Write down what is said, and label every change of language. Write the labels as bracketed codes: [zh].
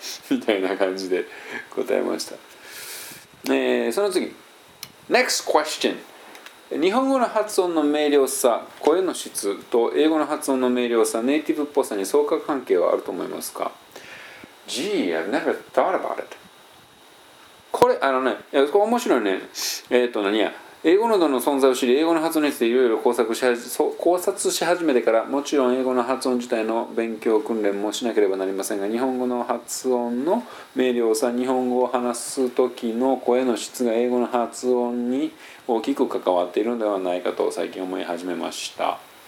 [ja] みたいな感じで答えました。その次 [en] Next question。 [ja] 日本語の発音の明瞭さ、声の質と英語の発音の明瞭さ、ネイティブっぽさに相関関係はあると思いますか？ [en] Gee, I've never thought about it。 [ja] これ、あのね、いやこれ面白いね。何や、英語などの存在を知り、英語の発音についていろいろ考察し始めてから、もちろん英語の発音自体の勉強訓練もしなければなりませんが、日本語の発音の明瞭さ、日本語を話す時の声の質が英語の発音に大きく関わっているのではないかと最近思い始めました。